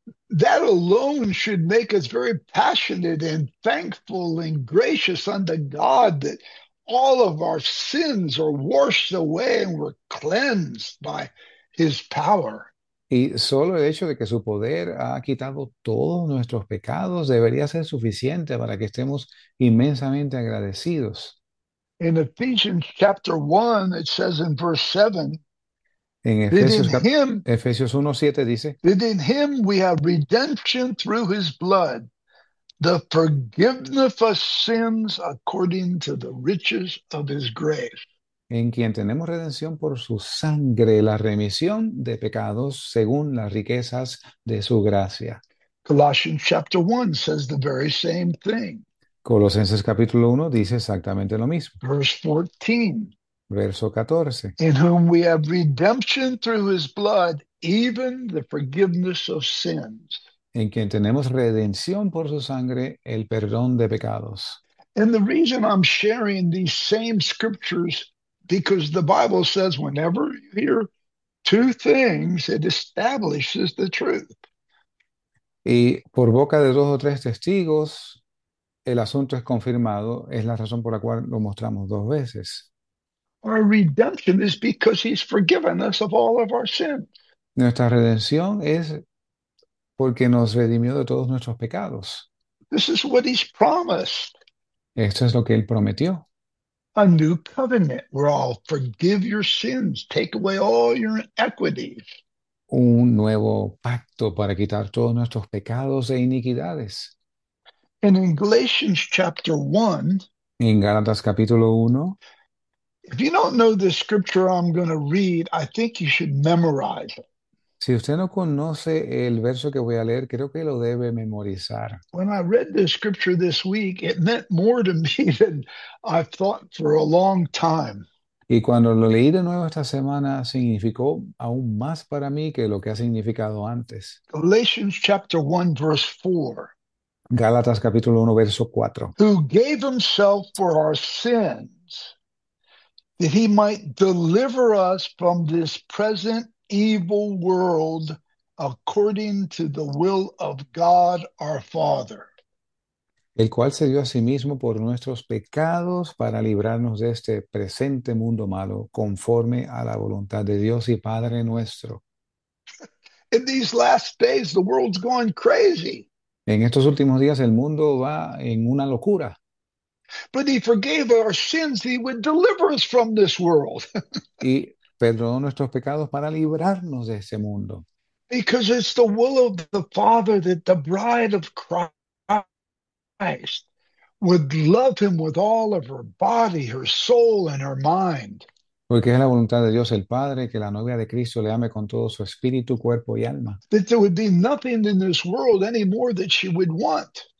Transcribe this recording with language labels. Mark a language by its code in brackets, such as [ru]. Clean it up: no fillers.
[en] That alone should make us very passionate and thankful and gracious unto God that all of our sins are washed away and we're cleansed by his power. [es] Y solo el hecho de que su poder ha quitado todos nuestros pecados debería ser suficiente para que estemos inmensamente agradecidos. [en] In Ephesians chapter 1, it says in verse 7, [es] En Efesios 1:7 dice: [en] that in him we have redemption through his blood, the forgiveness of sins according to the riches of his grace. [es] en quien tenemos redención por su sangre, la remisión de pecados según las riquezas de su gracia. [en] Colossians chapter 1 says the very same thing. [es] Colosenses capítulo 1 dice exactamente lo mismo. [en] Verse 14. [es] Verso 14. [en] In whom we have redemption through his blood, even the forgiveness of sins. [es] En quien tenemos redención por su sangre, el perdón de pecados. [en] And the reason I'm sharing these same scriptures, because the Bible says whenever you hear two things, it establishes the truth. [es] Y por boca de dos o tres testigos, el asunto es confirmado, es la razón por la cual lo mostramos dos veces. [en] Our redemption is because he's forgiven us of all of our sins. [es] Nuestra redención es porque nos redimió de todos nuestros pecados. [en] This is what he's promised. [es] Esto es lo que él prometió. [en] A new covenant where I'll forgive your sins, take away all your iniquities. [es] Un nuevo pacto para quitar todos nuestros pecados e iniquidades. [en] And in Galatians chapter 1, [es] En Gálatas capítulo 1. [en] if you don't know the scripture I'm going to read, I think you should memorize it. [es] Si usted no conoce el verso que voy a leer, creo que lo debe memorizar. [en] When I read this scripture this week, it meant more to me than I've thought for a long time. [es] Y cuando lo leí de nuevo esta semana, significó aún más para mí que lo que ha significado antes. [en] Galatians chapter 1, verse 4. [es] Gálatas capítulo 1, verso 4. [en] Who gave himself for our sins, that he might deliver us from this present evil world according to the will of God our Father. [es] El cual se dio a sí mismo por nuestros pecados para librarnos de este presente mundo malo, conforme a la voluntad de Dios y Padre nuestro. [en] In these last days, the world's going crazy. [es] En estos últimos días el mundo va en una locura. [en] But he forgave our sins, he would deliver us from this world. [es] Y perdonó nuestros pecados para librarnos de este mundo. [en] Because it's the will of the Father that the bride of Christ would love him with all of her body, her soul, and her mind. [es] Porque es la voluntad de Dios el Padre que la novia de Cristo le ame con todo su espíritu, cuerpo y alma. [en] That there would be nothing in this world anymore that she would want.